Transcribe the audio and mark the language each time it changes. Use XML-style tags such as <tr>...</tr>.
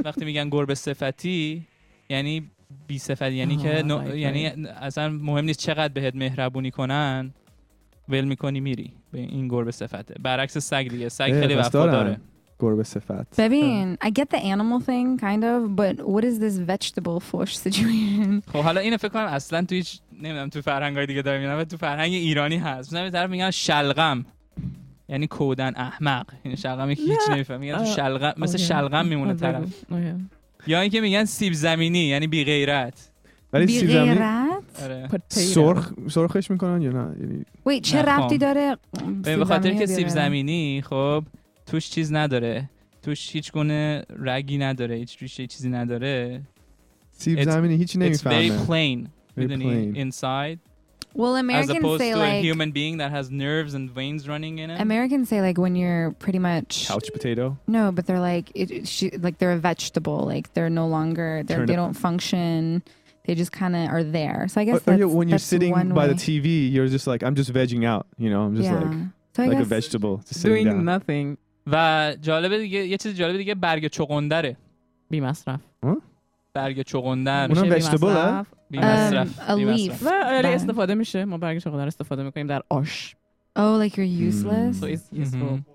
<fa>وقتی میگن گربه صفتی یعنی بی صفتی، یعنی که یعنی اصلا مهم نیست چقدر بهت مهربونی کنن، ول میکنی میری. به این گربه صفته. برعکس سگ دیگه، سگ خیلی وفا داره. گربه صفت.</fa> <en>ببین، I get the animal thing kind of, but what is this vegetable fish situation?</en> <fa>خب حالا اینو فکر کنم اصلا تو هیچ نمیدونم تو فرهنگای دیگه داره میاد، تو فرهنگ ایرانی هست. مثلا به طرف میگن شلغم. یعنی کودن احمق. این شلغمی که هیچ نمیفهمه. میگن تو شلغم مثل شلغم میمونه طرف. یا اینکه میگن سیب زمینی یعنی بی غیرت. ولی بی سیب زمینی آره. سرخش میکنن یا نه؟ Wait، چه رفتی داره؟ به خاطر اینکه سیب زمینی خب توش چیز نداره، توش هیچ گونه رگی نداره، هیچ ریشه چیزی نداره. سیب زمینی هیچ نمیفهمه.</fa> <en>It's very plain. Very plain. Inside. Well, Americans say like. As opposed to a human being that has nerves and veins running in it. Americans say like when you're pretty much. Couch potato. No, but they're like they're a vegetable. Like they're no longer. They don't function. They just kind of are there. So I guess. Or when you're sitting by the TV, you're just like, I'm just vegging out. You know, I'm just like. So like a vegetable just doing down. Nothing.</en> <fa>و جالب دیگه یه چیز جالب دیگه برگ چغندره بی مصرف. برگ چغندر اونم وجتبل ها بی مصرف. و علی استفاده میشه، ما برگ چغندر استفاده میکنیم در آش.</fa> <en>Oh like you're useless. So it's useful.</en>